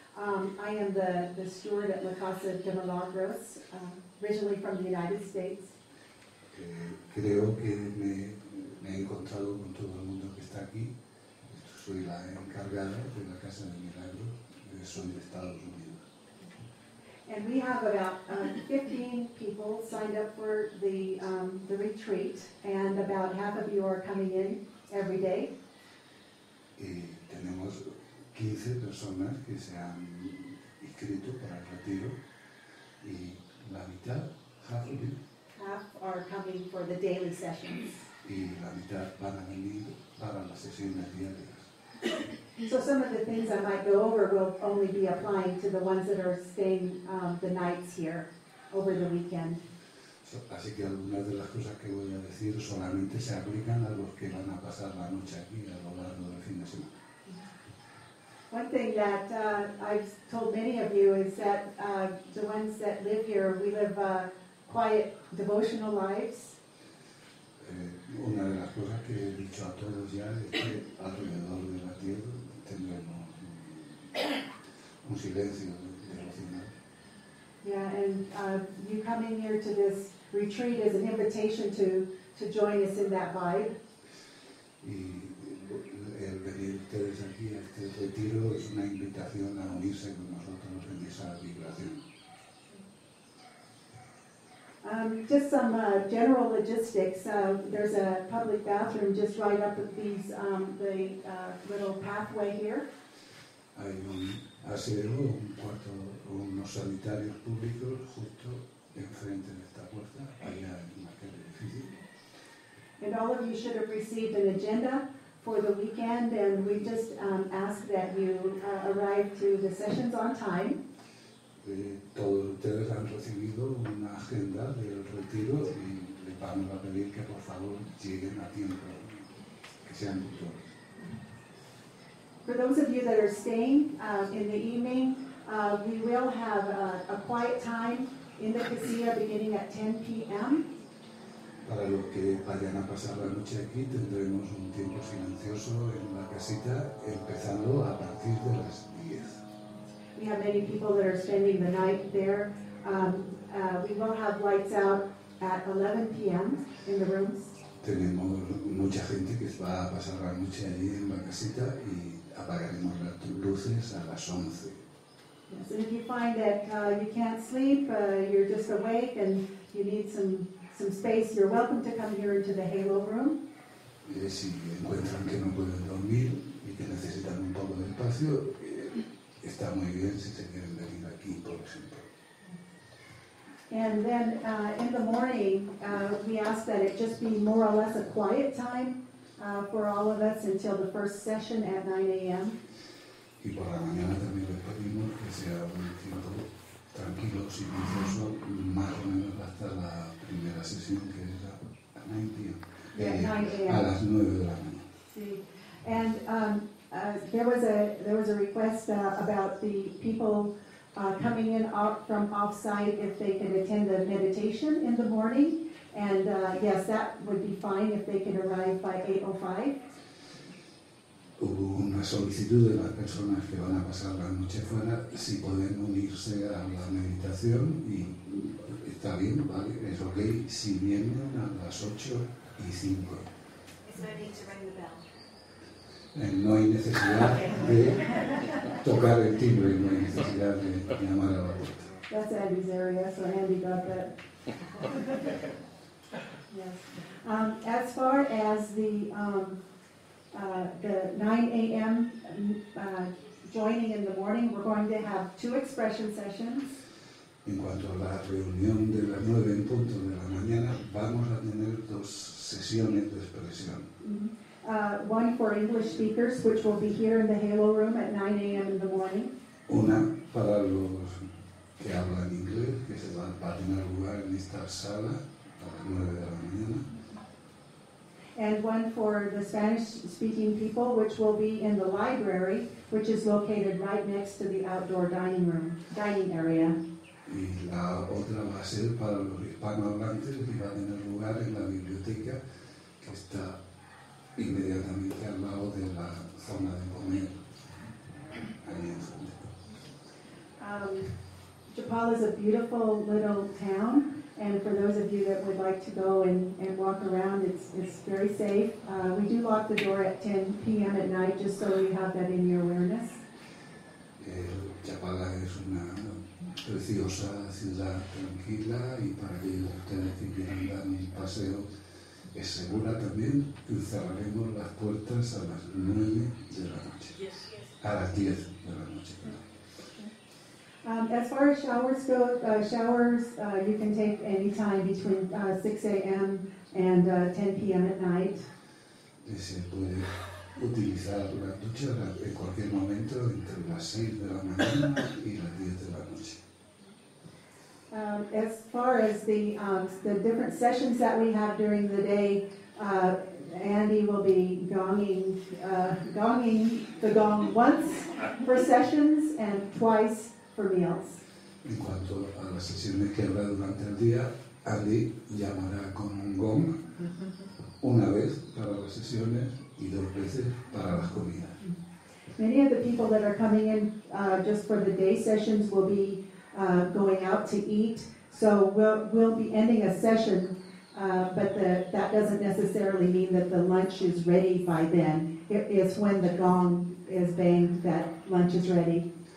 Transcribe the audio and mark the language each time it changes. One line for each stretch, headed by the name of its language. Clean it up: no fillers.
English: I am the steward at La Casa de Milagros, originally from the United States.
Spanish: Creo que me he encontrado con todo el mundo que está aquí. Soy la encargada de la Casa de Milagros. Soy de Estados Unidos.
English: And we have about 15 people signed up for the retreat, and about half of you are coming in every day.
Spanish: Tenemos 15 personas que se han inscrito para el retiro y la mitad,
English: half of them, half are coming for the daily sessions.
Spanish: Y la mitad van a venir para las sesiones diarias.
English: So some of the things I might go over will only be applying to the ones that are staying the nights here over the weekend.
Spanish: Así que algunas de las cosas que voy a decir solamente se aplican a los que van a pasar la noche aquí a lo largo del fin de semana.
English: One thing that I've told many of you is that the ones that live here, we live quiet, devotional lives.
Spanish: Una de las cosas que he dicho a todos ya es que alrededor de la tierra tendremos un silencio devocional.
English: Yeah, and you coming here to this retreat is an invitation to join us in that vibe.
Spanish: Y el venir ustedes aquí a este retiro es una invitación a unirse con nosotros en esa vibración.
English: Just some general logistics. There's a public bathroom just right up at these little pathway here.
Spanish: Hay un aseo, un cuarto, unos sanitarios públicos justo enfrente de esta puerta, allá en aquel edificio.
English: And all of you should have received an agenda for the weekend, and we just ask that you arrive to the sessions on time.
Spanish: Todos ustedes han recibido una agenda del retiro y les vamos a pedir que por favor lleguen a tiempo, que sean puntuales.
English: For those of you that are staying in the evening, we will have a quiet time in the casilla beginning at 10 p.m.
Spanish: Para los que vayan a pasar la noche aquí, tendremos un tiempo silencioso en la casita empezando a partir de las 10.
English: We have many people that are spending the night there. We will have lights out at 11 p.m. in the rooms.
Spanish: Tenemos mucha gente que va a pasar la noche allí en la casita y apagaremos las luces a las 11.
English: Yes, and if you find that you can't sleep, you're just awake and you need some space, you're welcome to come here into the halo room.
Spanish: Si encuentran que no pueden dormir y que necesitan un poco de espacio, está muy bien si se quieren venir aquí, por ejemplo.
English: And then in the morning, we ask that it just be more or less a quiet time for all of us until the first session at 9 a.m.
Spanish: Y por la mañana también les pedimos que sea un tiempo tranquilo, silencioso, más o menos hasta la primera sesión, que es a 9 de la mañana. Sí.
English: And there was a request about the people coming in from off-site if they can attend the meditation in the morning. And yes, that would be fine if they could arrive by 8:05.
Spanish: Hubo una solicitud de las personas que van a pasar la noche fuera si pueden unirse a la meditación y está bien, vale, es ok si vienen a las 8:05. No hay necesidad de tocar el timbre, no hay necesidad de llamar a la puerta.
English: That's Andy's area, so Andy got that. Yes. As far as the 9 a.m. Joining in the morning, we're going to have two expression sessions.
Spanish: En cuanto a la reunión de las 9 en punto de la mañana, vamos a tener dos sesiones de expresión. Mm-hmm.
English: One for English speakers, which will be here in the Halo Room at 9 a.m. in the morning.
Spanish: Una para los que hablan inglés, que se va a tener lugar en esta sala a las 9 de la mañana.
English: And one for the Spanish-speaking people, which will be in the library, which is located right next to the outdoor dining area.
Spanish: Y la otra va a ser para los hispanohablantes que va a tener lugar en la biblioteca, que está inmediatamente al lado de la zona de comer. Ahí en frente.
English: Chapala is a beautiful little town, and for those of you that would like to go and walk around, it's very safe. We do lock the door at 10 p.m. at night, just so you have that in your awareness.
Spanish: Chapala es una preciosa ciudad tranquila, y para que ustedes que quieran dar un paseo, es segura también, que cerraremos las puertas a las 9 de la noche. A las 10 de la noche, perdón.
English: As far as showers go, you can take any time between 6 a.m. and 10 p.m. at night.
Spanish: Se puede utilizar la ducha en cualquier momento entre las 6 de la mañana y las 10 de la noche.
English: As far as the different sessions that we have during the day, Andy will be gonging the gong once for sessions and twice for meals.
Spanish: En cuanto a las sesiones que habrá durante el día, Andy llamará con un gong una vez para las sesiones y dos veces para las comidas.
English: Many of the people that are coming in just for the day sessions will be going out to eat, so we'll be ending a session, but that doesn't necessarily mean that the lunch is ready by then. It's when the gong is banged that lunch is ready.